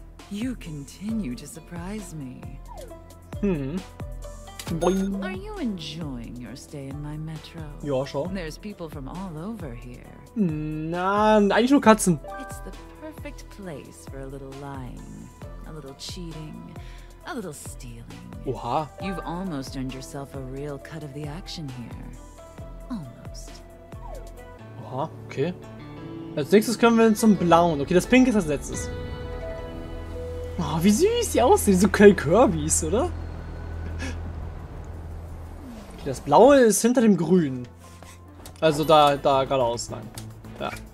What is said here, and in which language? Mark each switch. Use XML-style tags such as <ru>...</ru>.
<en>You continue to surprise me. Boing. Are you enjoying your stay in my metro?</en> <de>Ja, schon.</de> <en>There's people from all over here.</en> <de>Na, eigentlich nur Katzen.</de> <en>It's the perfect place for a little lying, a little cheating, a little stealing. Oha. You've almost earned yourself a real cut of the action here. Almost. Oha, okay.</en> <de>Als nächstes können wir zum Blauen. Okay, das Pink ist als letztes. Oh, wie süß die aussehen. So Kel Kirby's, oder? Das Blaue ist hinter dem Grün. Also da geradeaus lang. Ja.</de>